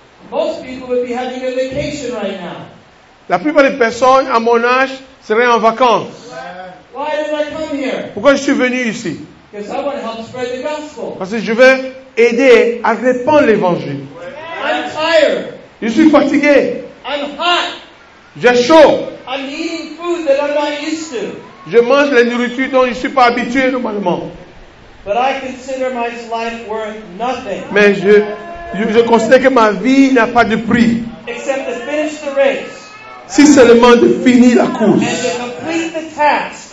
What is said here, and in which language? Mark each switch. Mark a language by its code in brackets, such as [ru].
[en] Most people would be having a vacation right now. [fr] La plupart des personnes à mon âge seraient en vacances. [en] Why did I come here? [fr] Pourquoi je suis venu ici? [en] Because I want to help spread the gospel. [fr] Parce que je veux aider à répandre l'évangile. [en] I'm tired. [fr] Je suis fatigué. [en] I'm hot. [fr] J'ai chaud. [en] I'm eating food that I'm not used to. [fr] Je mange la nourriture dont je ne suis pas habitué normalement. [en] But I consider my life worth nothing. [fr] Mais je considère que ma vie n'a pas de prix. [en] Except to finish the race. [fr] Si seulement de finir la course. [en] And to complete the task.